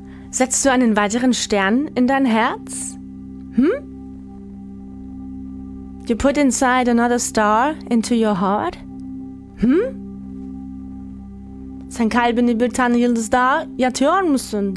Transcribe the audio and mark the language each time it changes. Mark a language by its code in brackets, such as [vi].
[de] Setzt du einen weiteren Stern in dein Herz? Hm? [en] You put inside another star into your heart? Hm? [tr] Sen kalbini bir tane yıldızda yatıyor musun?